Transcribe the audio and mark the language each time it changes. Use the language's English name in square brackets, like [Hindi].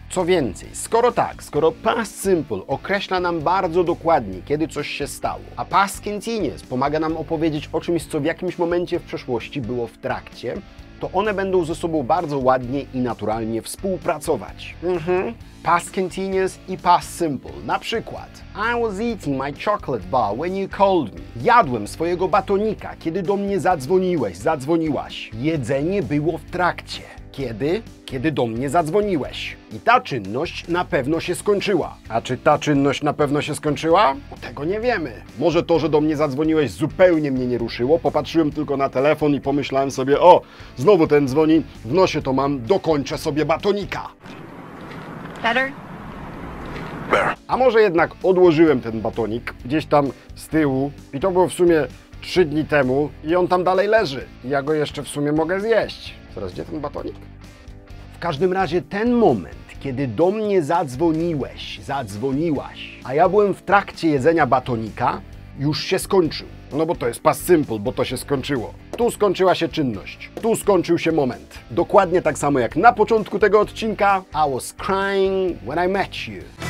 [Polish] Co więcej, skoro tak, skoro past simple określa nam bardzo dokładnie, kiedy coś się stało, a past continuous pomaga nam opowiedzieć o czymś, co w jakimś momencie w przeszłości było w trakcie, to one będą ze sobą bardzo ładnie i naturalnie współpracować. Past continuous i past simple. Na przykład, [English] I was eating my chocolate bar when you called me. [Polish] Jadłem swojego batonika, kiedy do mnie zadzwoniłeś, zadzwoniłaś. Jedzenie było w trakcie. Kiedy? Kiedy do mnie zadzwoniłeś. I ta czynność na pewno się skończyła. A czy ta czynność na pewno się skończyła? O, tego nie wiemy. Może to, że do mnie zadzwoniłeś, zupełnie mnie nie ruszyło. Popatrzyłem tylko na telefon i pomyślałem sobie, o, znowu ten dzwoni, w nosie to mam, dokończę sobie batonika. [English] Better? Better. [Polish] A może jednak odłożyłem ten batonik gdzieś tam z tyłu i to było w sumie 3 dni temu i on tam dalej leży. Ja go jeszcze w sumie mogę zjeść. Zaraz, gdzie ten batonik? W każdym razie ten moment, kiedy do mnie zadzwoniłeś, zadzwoniłaś, a ja byłem w trakcie jedzenia batonika, już się skończył. No bo to jest past simple, bo to się skończyło. Tu skończyła się czynność, tu skończył się moment. Dokładnie tak samo jak na początku tego odcinka. [English] I was crying when I met you.